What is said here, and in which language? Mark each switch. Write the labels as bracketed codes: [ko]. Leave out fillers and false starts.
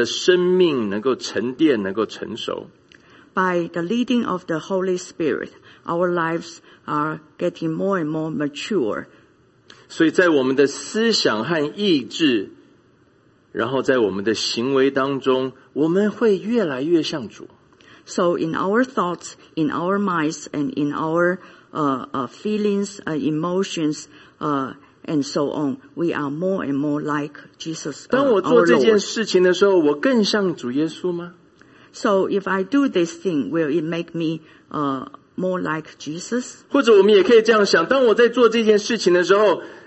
[zh] 我们受圣灵的引领，使我们的生命能够沉淀，能够成熟。 [en] By the leading of the Holy Spirit, our lives are getting more and more mature. [zh] 所以在我们的思想和意志。然后在我们的行为当中，我们会越来越像主。 [en] So in our thoughts, in our minds, and in our feelings, emotions, and so on, we are more and more like Jesus. [zh] 当我做这件事情的时候，我更像主耶稣吗？ [en] So if I do this thing, will it make me more like Jesus? [zh] 或者我们也可以这样想，当我在做这件事情的时候。